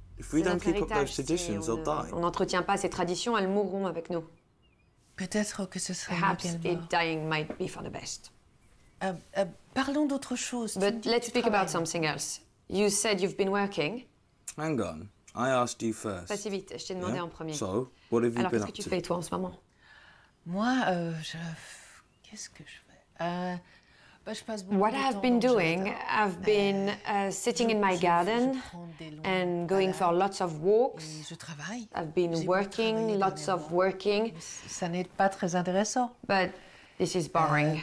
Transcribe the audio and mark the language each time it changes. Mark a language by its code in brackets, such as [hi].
[en] If we don't keep up those traditions, they'll die. [fr] On n'entretient pas ces traditions, elles mourront avec nous. Peut-être que ce serait [en] perhaps it dying might be for the best. [fr] Parlons d'autre chose. [en] But let's speak about something else. You said you've been working. Hang on. I asked you first. [fr] Pas si vite, je t'ai demandé en premier. [en] So, what have you been up to? [fr] Alors, qu'est-ce que tu fais, toi, en ce moment? Moi, je... Qu'est-ce que je fais? [en] What I've been doing, I've been sitting in my garden and going for lots of walks. I've been working, lots of working. [fr] Ça n'est pas très intéressant. [en] But this is boring.